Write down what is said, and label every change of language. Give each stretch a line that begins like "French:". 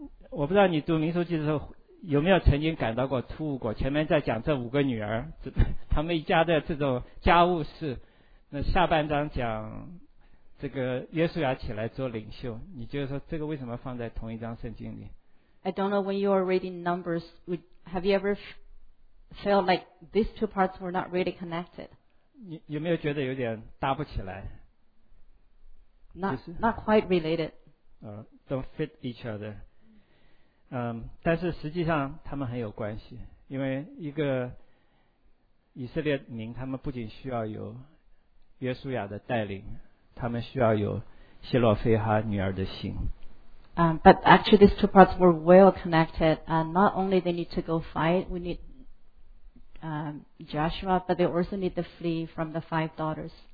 Chinese: 我不知道你读民数记的时候有没有曾经感到过突兀过？前面在讲这五个女儿，他们一家的这种家务事，那下半章讲这个约书亚起来做领袖，你就是说这个为什么放在同一章圣经里
English: ？I don't know when you are reading Numbers. Have you ever felt like these two parts were not really connected?
Chinese: 你有没有觉得有点搭不起来
English: not quite related don't fit each other
Chinese: 但是实际上他们很有关系因为一个以色列民他们不仅需要有约书亚的带领他们需要有希洛菲哈女儿的心
English: but actually these two parts were well connected not only they need to go fight we needJoshua, but they also need to flee from the five daughters.